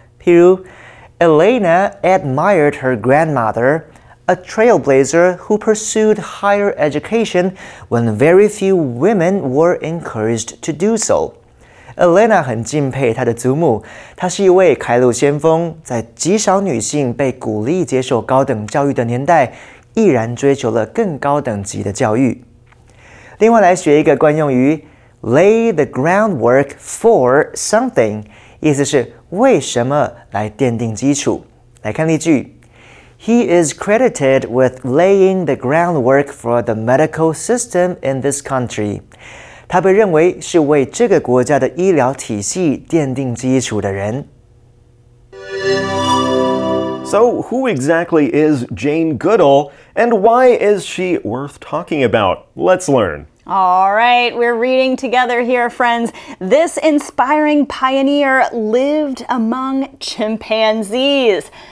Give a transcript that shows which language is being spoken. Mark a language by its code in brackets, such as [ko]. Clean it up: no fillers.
[zh] 譬如 [en] ，Elena admired her grandmother, a trailblazer who pursued higher education when very few women were encouraged to do so。 [zh] Elena 很敬佩她的祖母，她是一位开路先锋，在极少女性被鼓励接受高等教育的年代，毅然追求了更高等级的教育。另外来学一个惯用语 , [en] lay the groundwork for something, [zh] 意思是为什么来奠定基础。来看例句 [en] ,He is credited with laying the groundwork for the medical system in this country. [zh] 他被认为是为这个国家的医疗体系奠定基础的人。 [en] So, who exactly is Jane Goodall, and why is she worth talking about? Let's learn. All right, we're reading together here, friends. This inspiring pioneer lived among chimpanzees.